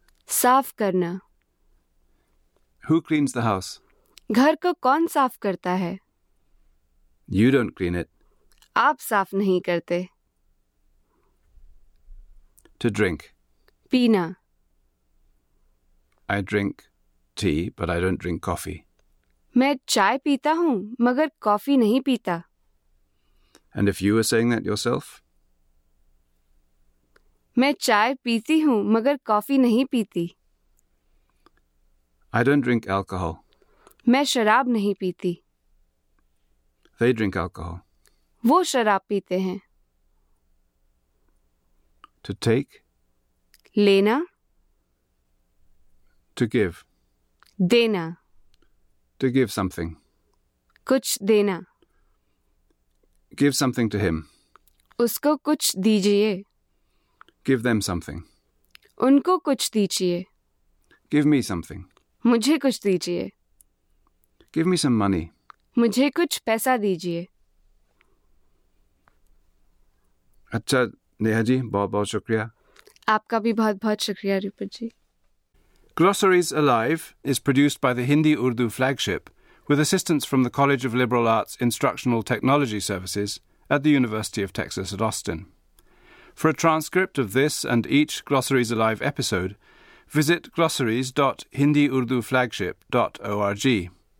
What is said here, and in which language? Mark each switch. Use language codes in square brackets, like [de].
[hi] साफ करना. [en] Who cleans the house? [hi] घर को कौन साफ करता है? [en] You don't clean it. [hi] आप साफ नहीं करते. [en] To drink. [hi] पीना. [en] I drink tea, but I don't drink coffee. [hi] मैं चाय पीता हूँ, मगर कॉफी नहीं पीता. [en] And if you were saying that yourself? [hi] मैं चाय पीती हूँ, मगर कॉफी नहीं पीती. [en] I don't drink alcohol. [hi] मैं शराब नहीं पीती. [en] They drink alcohol. [hi] वो शराब पीते हैं. [en] To take. [hi] लेना. [en] To give. [hi] देना. [en] To give something. [hi] कुछ देना. [en] Give something to him. [hi] उसको कुछ दीजिए. [en] Give them something. [hi] उनको कुछ दीजिए. [en] Give me something. [hi] मुझे कुछ दीजिए. [en] Give me some money. [hi] मुझे कुछ पैसा दीजिए. अच्छा नेहा जी, बहुत बहुत शुक्रिया. आपका भी बहुत बहुत शुक्रिया Rupak ji. [en] Glossaries Alive is produced by the Hindi Urdu flagship with assistance from the College of Liberal Arts Instructional Technology Services at the University of Texas at Austin. For a transcript of this and each Glossaries Alive episode, visit glossaries.hindiurduflagship.org.